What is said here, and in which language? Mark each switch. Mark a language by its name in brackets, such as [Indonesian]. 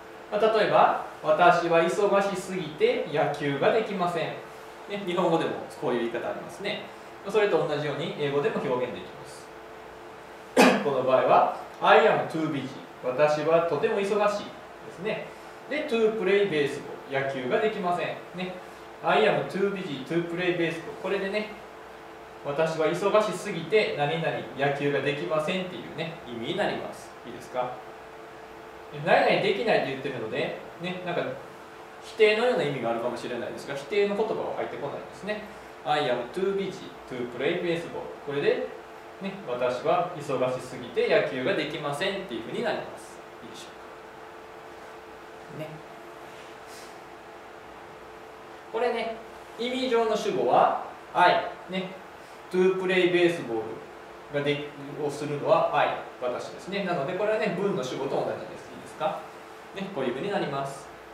[Japanese] まあ、例えば、私は忙しすぎて野球ができません、ね、日本語でもこういう言い方ありますね。それと同じように英語でも表現できます。この場合は [English] I am too busy、 [Japanese] 私はとても忙しいですね。で、 [English] to play baseball、 [Japanese] 野球ができませんね。 [English] I am too busy to play baseball。 [Japanese] これでね、私は忙しすぎて何々野球ができませんっていうね、意味になります。いいですか。何々できないって言ってるのでね、なんか否定のような意味があるかもしれないですが、否定の言葉は入ってこないですね。 [English] I am too busy to play baseball。 [Japanese] これでね、私は忙しすぎて野球ができませんっていうふうになります。いいでしょうかね。これね、意味上の主語は I、ね、 [English] to play baseball [Japanese] をするのは I、私ですね。なのでこれはね、文の主語と同じです。いいですか、ね、こういう風になります。